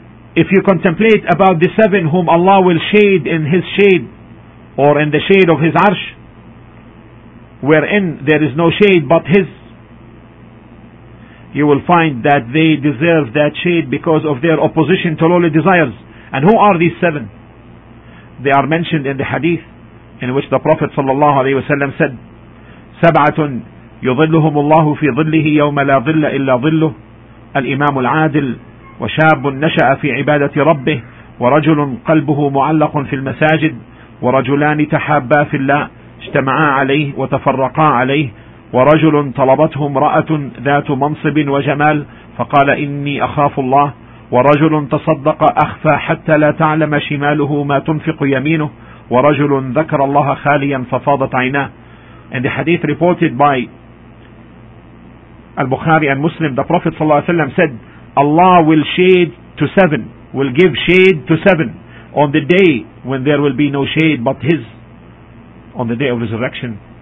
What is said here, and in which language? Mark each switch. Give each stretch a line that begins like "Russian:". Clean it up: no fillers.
English: If you contemplate about the seven whom Allah will shade in his shade, or in the shade of his arsh, wherein there is no shade but his, you will find that they deserve that shade because of their opposition to lowly desires. And who are these seven? They are mentioned in the hadith in which the Prophet sallallahu alaihi wasallam said,
Arabic: "Sab'atun yudhilluhumullahu fi dhillihi yawma la dhilla illa dhilluh, al-imamul adil, وشاب نشأ في عبادة ربه، ورجل قلبه معلق في المساجد، ورجلان تحابا في الله اجتمعا عليه وتفرقا عليه، ورجل طلبته امرأة ذات منصب وجمال فقال إني أخاف الله، ورجل تصدق أخفى حتى لا تعلم شماله ما تنفق يمينه، ورجل ذكر الله خاليا ففاضت عيناه.
English: And the hadith reported by Al-Bukhari and Muslim, the Prophet
Arabic: صلى الله عليه وسلم
English: said, Allah will shade to seven, will give shade to seven on the day when there will be no shade but His, on the day of resurrection.